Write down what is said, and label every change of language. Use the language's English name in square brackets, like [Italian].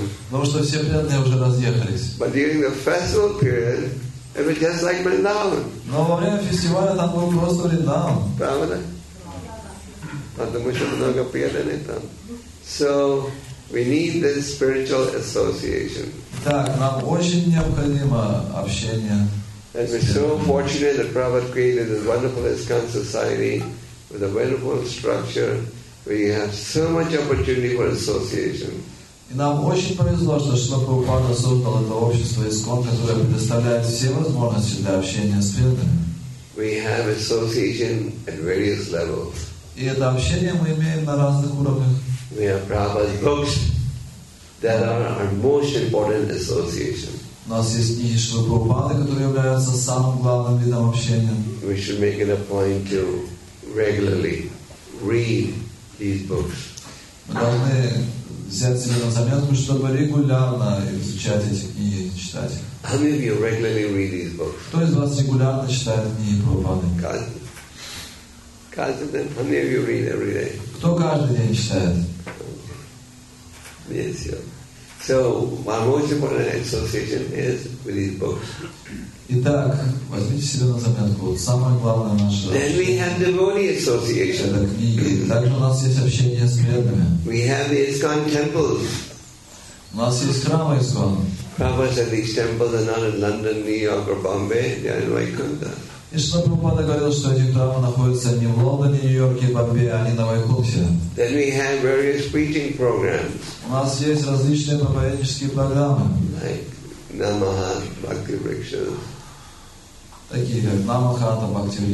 [Russian] Потому что все преданные уже разъехались. [English] But during the festival period, it was just like Vrindavan. [Russian] Но во время фестиваля там был просто Вриндаван. Правда? Потому что много преданные там. [English] So we need this spiritual association. [Russian] Так, нам очень необходимо общение. [English] And we're so fortunate that Prabhupada created this wonderful ISKCON society with a wonderful structure where you have so much opportunity for association. [Russian] И нам очень повезло, что Шрила Прабхупада создал это общество ИСККОН, которое предоставляет все возможности для общения с преданными. [English] We have association at various levels. [Russian] И это общение мы имеем на разных уровнях. [English] We have Prabhupada's books that are our most important association. [Russian] У нас есть книги Шрила Прабхупады, которые являются самым главным видом общения. [English] We should make it a point to regularly read these books. [Russian] Мы должны взять себе на заметку, чтобы регулярно изучать эти книги и читать. [English] How many of you regularly read these books? [Russian] Кто из вас регулярно читает книги Прабхупады? Каждый день. [English] How many of you read every day? [Russian] Кто каждый день читает? [English] Yes, yeah. So my most important association is with these books. [Russian] Итак, возьмите себе на заметку. Вот самое главное наше. [English] Then we have devotee association. [Russian] Это книги. Также у нас есть общение с преданными. [English] We have the ISKCON temples. [Russian] У нас есть храмы ISKCON. [English] Prabhupada said these temples are not in London, New York, or Bombay. They are in Vaikuntha. [Russian] И Шрила Прабхупада говорил, что эти храмы находятся не в Лондоне, Нью-Йорке, Бомбее, а не на Вайкунтхе. [English] Then we have various preaching programs. [Russian] У нас есть различные проповеднические программы. [English] Like Namaha, Bhakti Rikshas. [Russian] Такие как Намаха, Бхакти Рикша.